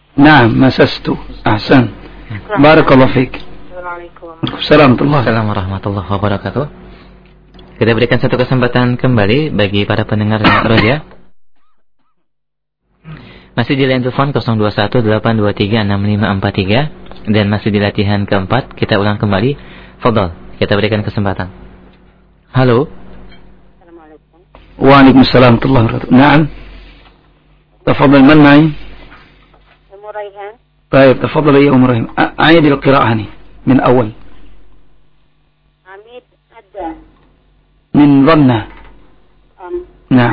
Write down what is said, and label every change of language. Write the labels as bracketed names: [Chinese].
[Arabic] نعم مسست أحسن بارك الله فيك السلام عليكم السلام ورحمة الله وبركاته [Indonesian] kita berikan satu kesempatan kembali bagi para pendengar Roja masih di line telepon 021-823-6543 dan masih di latihan keempat kita ulang kembali Fadhal kita berikan kesempatan halo [Arabic] Waalaikumsalam warahmatullahi wabarakatuh نعم تفضل من معي طيب تفضل يا أم رحيم أعيد القراءة هني من أول حميد أدى من ظنة نعم